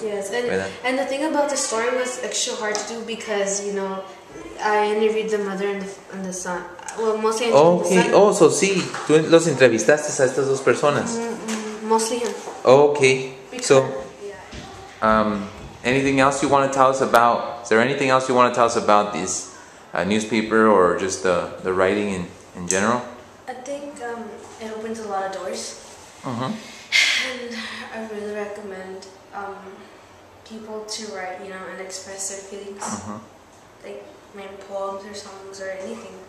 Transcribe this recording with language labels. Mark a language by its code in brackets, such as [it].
[en] Yes, and the thing about the story was extra hard to do because, you know, I interviewed the mother and the son. Well, mostly okay. The son. [es] Oh, so sí, tú los entrevistaste a estas dos personas. [en] Mostly him. Okay, because, so, anything else you want to tell us about? Is there anything else you want to tell us about this newspaper or just the writing in general? I think it opens a lot of doors. I really recommend people to write, you know, and express their feelings, like my poems or songs or anything.